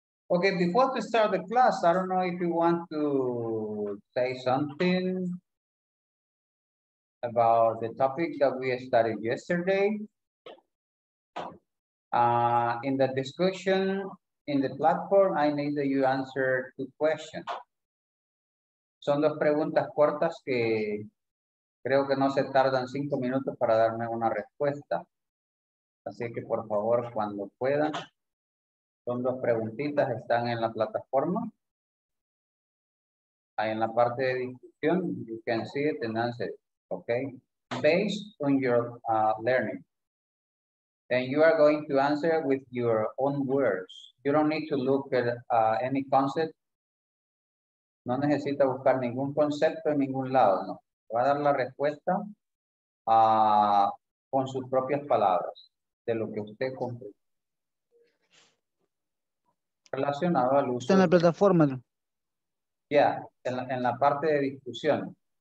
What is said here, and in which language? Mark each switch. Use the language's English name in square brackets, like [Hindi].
[English] Okay, before we start the class, I don't know if you want to say something. about the topic that we started yesterday. In the discussion in the platform, I need that you answer two questions. [Spanish] Son dos preguntas cortas que creo que no se tardan 5 minutos para darme una respuesta. Así que por favor, cuando puedan, son dos preguntitas, están en la plataforma. Ahí en la parte de discusión, [English] you can see it and answer it, okay? Based on your learning. And you are going to answer with your own words. You don't need to look at any concept. [Spanish] No necesita buscar ningún concepto en ningún lado, no. Va a dar la respuesta con sus propias palabras de lo que usted comprende. Relacionado al uso. Está en la plataforma. Ya, yeah, en la parte de discusión.